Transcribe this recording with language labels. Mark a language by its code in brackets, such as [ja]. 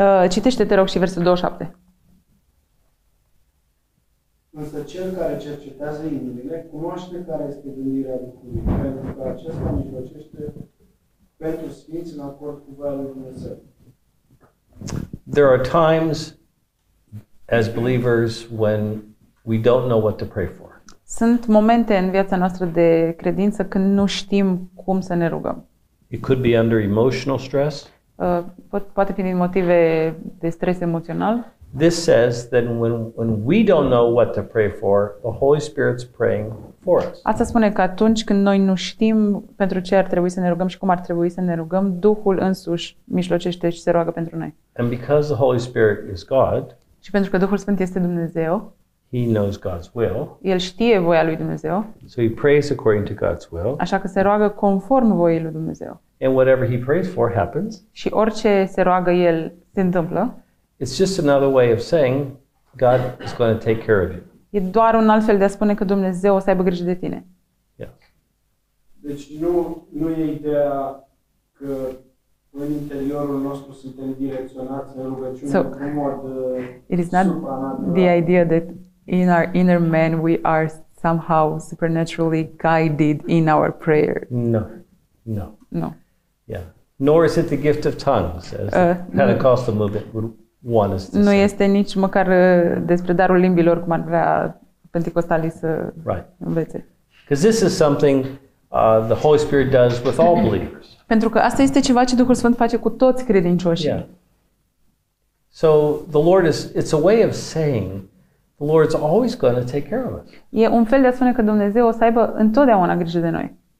[ro] Citește, te rog, și versetul 27. Însă cel care cercetează inimile cunoaște care este gândirea Duhului, pentru că acesta mijlocește pentru sfinți în acord cu voia lui Dumnezeu. [en] There are times as believers when we don't know what to pray for. [ro] Sunt momente în viața noastră de credință când nu știm cum să ne rugăm. [en] It could be under emotional stress. [ro] Poate fi din motive de stres emoțional. [en] This says that when we don't know what to pray for, the Holy Spirit's praying for us. [ro] Asta spune că atunci când noi nu știm pentru ce ar trebui să ne rugăm și cum ar trebui să ne rugăm, Duhul însuși mijlocește și se roagă pentru noi. [en] And because the Holy Spirit is God, [ro] și pentru că Duhul Sfânt este Dumnezeu, [en] He knows God's will. [ro] El știe voia lui Dumnezeu. [en] So he prays according to God's will. [ro] Așa că se roagă conform voiei lui Dumnezeu. [en] And whatever he prays for happens. [ro] Și orice se roagă el se întâmplă. [en] It's just another way of saying God is going to take care of you. [ro] E doar un alt fel de a spune că Dumnezeu o să aibă grijă de tine. [en] Yes. [ro] Deci nu e ideea că în interiorul nostru suntem direcționați în rugăciune, [en] so, [ro] primordial. [en] It is not the idea that in our inner man we are somehow supernaturally guided in our prayer. No. Yeah. Nor is it the gift of tongues as Pentecostal movement would want us to say. [ro] Nu este nici măcar despre darul limbilor cum ar vrea pentecostalii să învețe. [en] Because this is something the Holy Spirit does with all believers. [ro] Pentru că asta este ceva ce Duhul Sfânt face cu toți credincioșii. [en] Yeah. So the Lord is, it's a way of saying the Lord's always going to take care of us. [ro] E un fel de a spune că Dumnezeu o să aibă întotdeauna grijă de noi.